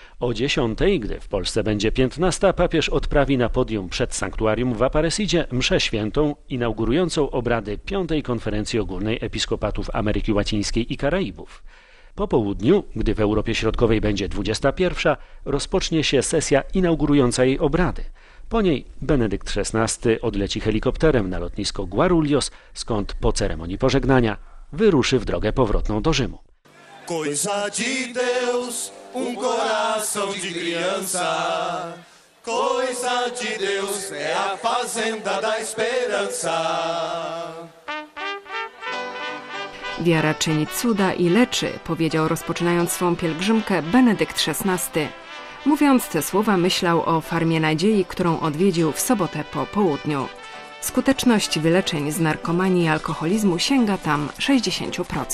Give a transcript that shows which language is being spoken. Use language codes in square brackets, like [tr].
[pl] O 10:00, gdy w Polsce będzie 15:00, papież odprawi na podium przed sanktuarium w Aparecidzie mszę świętą inaugurującą obrady piątej konferencji ogólnej episkopatów Ameryki Łacińskiej i Karaibów. Po południu, gdy w Europie Środkowej będzie 21:00, rozpocznie się sesja inaugurująca jej obrady. Po niej Benedykt XVI odleci helikopterem na lotnisko Guarulhos, skąd po ceremonii pożegnania wyruszy w drogę powrotną do Rzymu. [pt] Coisa de Deus, um coração de criança. Coisa de Deus, é a fazenda da esperança. [pl] Wiara czyni cuda i leczy, powiedział rozpoczynając swą pielgrzymkę Benedykt XVI. Mówiąc te słowa, myślał o Farmie Nadziei, którą odwiedził w sobotę po południu. Skuteczność wyleczeń z narkomanii i alkoholizmu sięga tam 60%.